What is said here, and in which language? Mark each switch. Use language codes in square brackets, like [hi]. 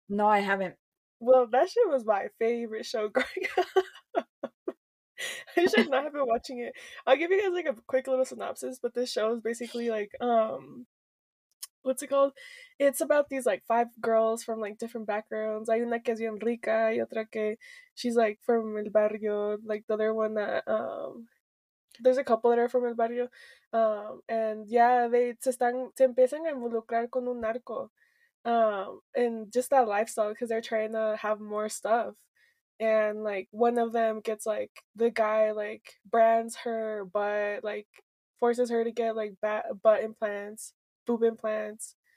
[en] No, I haven't. Well, that shit was my favorite show growing up. I should not have been watching it. I'll give you guys like a quick little synopsis, but this show is basically like, what's it called? It's about these like five girls from like different backgrounds. [es] Hay una que es bien rica y otra que [en] she's like from [es] el barrio. [en] Like the other one that there's a couple that are from [es] el barrio. [en] And yeah, they [es] se empiezan a involucrar con un narco. [en] And just that lifestyle, because they're trying to have more stuff. And like one of them gets like, the guy like brands her butt, like forces her to get like butt implants. Boob implants.